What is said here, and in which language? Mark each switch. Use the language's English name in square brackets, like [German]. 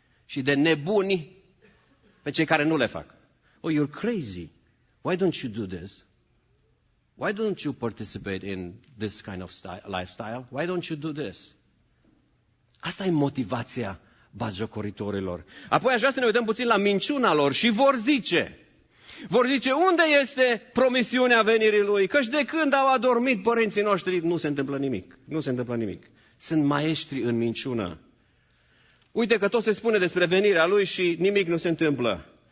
[Romanian] Și de nebuni pe cei care nu le fac. [English] Oh, you're crazy. Why don't you do this? Why don't you participate in this kind of lifestyle? Why don't you do this? [Romanian] Asta e motivația batjocoritorilor. Apoi aș vrea să ne uităm puțin la minciuna lor și vor zice. Vor zice, unde este promisiunea venirii lui? Căci de când au adormit părinții noștri, nu se întâmplă nimic. Nu se întâmplă nimic. Sunt maestri în minciună. Uite că tot se spune despre venirea lui și nimic nu se întâmplă.